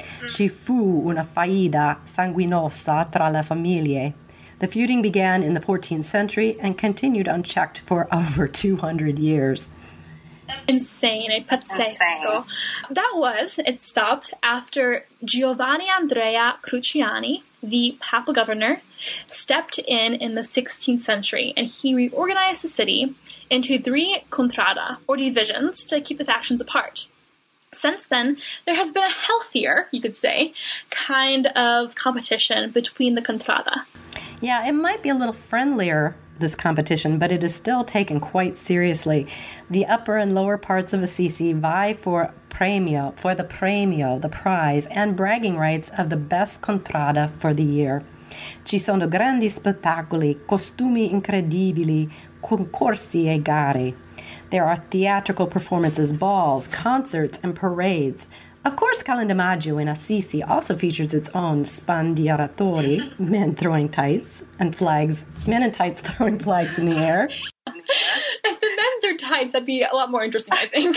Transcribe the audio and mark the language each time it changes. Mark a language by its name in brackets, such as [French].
[Italian] Ci fu una faida sanguinosa tra le famiglie. [English] The feuding began in the 14th century and continued unchecked for over 200 years. Insane, pazzesco. That was, it stopped, after Giovanni Andrea Cruciani, the papal governor, stepped in the 16th century, and he reorganized the city into three contrada, or divisions, to keep the factions apart. Since then, there has been a healthier, you could say, kind of competition between the contrada. Yeah, it might be a little friendlier, this competition, but it is still taken quite seriously. The upper and lower parts of Assisi vie for the premio, the prize, and bragging rights of the best contrada for the year. [Italian] Ci sono grandi spettacoli, costumi incredibili, concorsi e gare. [English] There are theatrical performances, balls, concerts, and parades. Of course, Calen de Maggio in Assisi also features its own spandieratori, men throwing tights and flags, men in tights throwing flags in the air. If the men threw tights, that'd be a lot more interesting, I think.